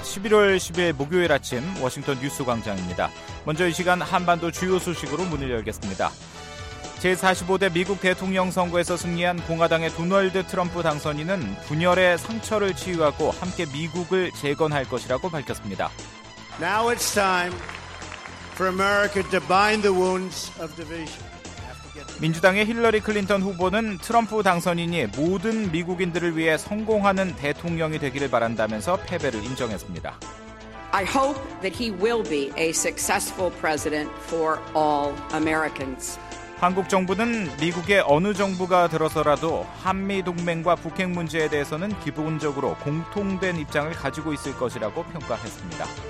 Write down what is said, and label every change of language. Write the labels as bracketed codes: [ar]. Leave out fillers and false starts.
[ko] 11월 10일 목요일 아침 워싱턴 뉴스 광장입니다. 먼저 이 시간 한반도 주요 소식으로 문을 열겠습니다. 제45대 미국 대통령 선거에서 승리한 공화당의 도널드 트럼프 당선인은 분열의 상처를 치유하고 함께 미국을 재건할 것이라고 밝혔습니다. [en] Now it's time for America to bind the wounds of division. [ko] 민주당의 힐러리 클린턴 후보는 트럼프 당선인이 모든 미국인들을 위해 성공하는 대통령이 되기를 바란다면서 패배를 인정했습니다. [en] I hope that he will be a successful president for all Americans. [ko] 한국 정부는 미국의 어느 정부가 들어서라도 한미동맹과 북핵 문제에 대해서는 기본적으로 공통된 입장을 가지고 있을 것이라고 평가했습니다.